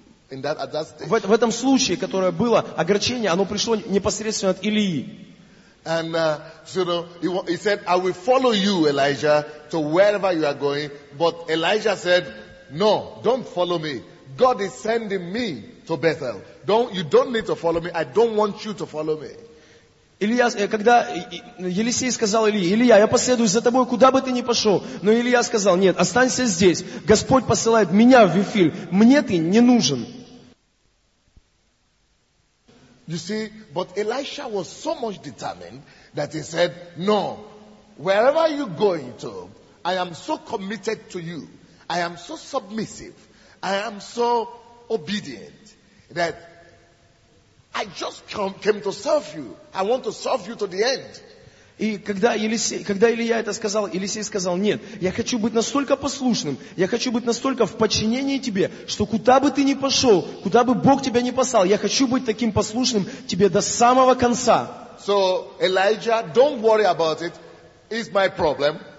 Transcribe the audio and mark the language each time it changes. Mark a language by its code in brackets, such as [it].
[ru] В этом случае, которое было, огорчение, оно пришло непосредственно от Илии. [en] And you know, he said, I will follow you, Elijah, to wherever you are going. But Elijah said, no, don't follow me. God is sending me to Bethel. You don't need to follow me. I don't want you to follow me. [ru] Илия, когда Елисей сказал Илии, Илия, я последую за тобой, куда бы ты ни пошел. Но Илия сказал, нет, останься здесь. Господь посылает меня в Вифиль. Мне ты не нужен. [en] You see, but Elisha was so much determined that he said, no, wherever you're going to, I am so committed to you. I am so submissive. I am so obedient that I just came to serve you. I want to serve you to the end. [ru] И когда Илия это сказал, Елисей сказал, нет, я хочу быть настолько послушным, я хочу быть настолько в подчинении тебе, что куда бы ты ни пошел, куда бы Бог тебя ни послал, я хочу быть таким послушным тебе до самого конца. [en] So, Elijah, don't worry about it. It's my problem.